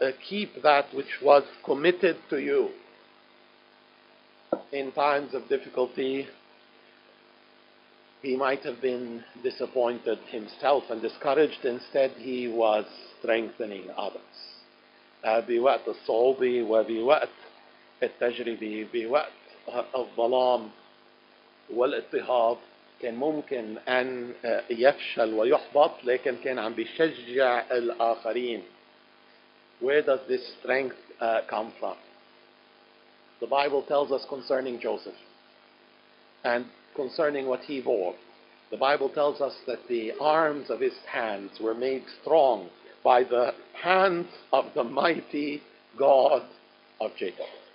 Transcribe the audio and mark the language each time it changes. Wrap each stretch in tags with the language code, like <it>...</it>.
<en>Keep that which was committed to you in times of difficulty. He might have been disappointed himself and discouraged. Instead, he was strengthening others.</en> <ar>بوقت الصعوبة وبوقت التجربة بوقت الظلام والاضطهاد كان ممكن أن يفشل ويحبط لكن كان عم بيشجع الآخرين.</ar> <en>Where does this strength come from? The Bible tells us concerning Joseph and concerning what he bore. The Bible tells us that the arms of his hands were made strong by the hands of the mighty God of Jacob.</en>